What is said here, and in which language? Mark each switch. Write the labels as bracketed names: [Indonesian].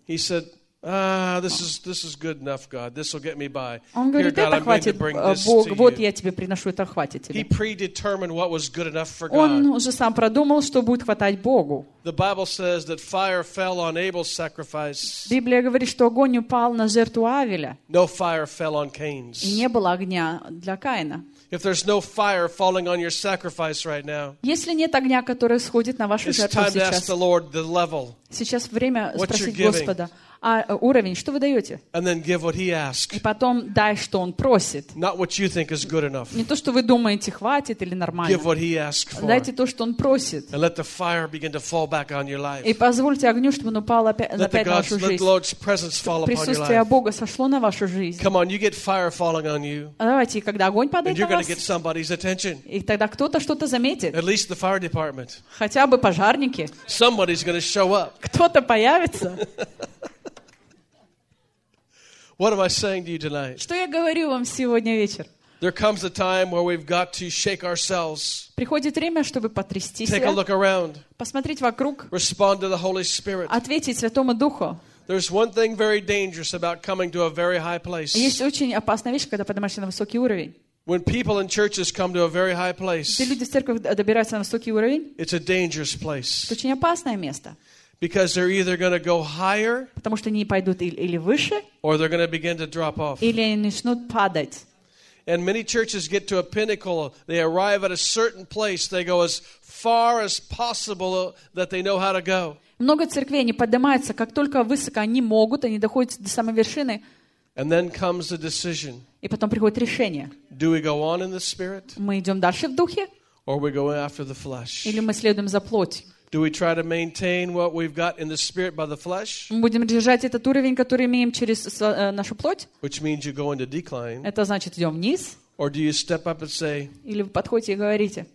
[English] He said, ah, this is good enough, God. This will get me by. [Russian] Он говорит, [English] here, God, [Russian] это хватит, Бог, вот я тебе приношу, это хватит тебе. [English] He predetermined what was good enough for God. [Russian] Он уже сам продумал, что будет хватать Богу. [English] The Bible says that fire fell on Abel's sacrifice. [Russian] Библия говорит, что огонь упал на жертву Авеля. [English] No fire fell on Cain's. [Russian] И не было огня для Каина. [English] If there's no fire falling on your sacrifice right now, [Russian] если нет огня, который сходит на вашу жертву сейчас, [English] it's time to ask the Lord the level. [Russian] Сейчас время спросить Господа. А уровень, что вы даете? [English] And then give what he asks. [Russian] И потом дай, что он просит. [English] Not what you think is good enough. [Russian] Не то, что вы думаете, хватит или нормально. [English] Give what he asks for. [Russian] Дайте то, что он просит. [English] And let the fire begin to fall back on your life. [Russian] И позвольте огню, чтобы он упал опять на вашу жизнь. [English] Let the Lord's presence fall upon your life. [Russian] Присутствие Бога сошло на вашу жизнь. [English] Come on, you get fire falling on you. [Russian] Давайте, когда огонь падает на вас, [English] you're going to get somebody's attention. [Russian] И тогда кто-то что-то заметит. [English] At least the fire department. [Russian] Хотя бы пожарники. [English] Somebody's going to show up. [Russian] Кто-то появится. [English] What am I saying to you tonight? [Russian] Что я говорю вам сегодня вечер? [English] There comes a time where we've got to shake ourselves. [Russian] Приходит время, чтобы потрясти себя. [English] Take a look around. [Russian] Посмотреть вокруг. [English] Respond to the Holy Spirit. [Russian] Ответить Святому Духу. [English] There's one thing very dangerous about coming to a very high place. [Russian] Есть очень опасная вещь, когда поднимаешься на высокий уровень. [English] When people in churches come to a very high place. [Russian] Когда люди в церквях добираются на высокий уровень. [English] It's a dangerous place. [Russian] Это очень опасное место. [English] Because they're either going to go higher, [Russian] потому что они пойдут или выше, [English] or they're going to begin to drop off, [Russian] или они начнут падать. [English] And many churches get to a pinnacle; they arrive at a certain place. They go as far as possible that they know how to go. [Russian] Много церквей они поднимаются, как только высоко они могут, они доходят до самой вершины. [English] And then comes the decision. [Russian] И потом приходит решение. [English] Do we go on in the spirit? [Russian] Мы идем дальше в духе. [English] Or we go after the flesh? [Russian] Или мы следуем за плотью? [English] Do we try to maintain what we've got in the spirit by the flesh? [Russian] Мы будем держать этот уровень, который имеем через нашу плоть? [English] Which means you go into decline. [Russian] Это значит, идем вниз. [English] Or do you step up and say? [Russian] Или вы подходите и говорите?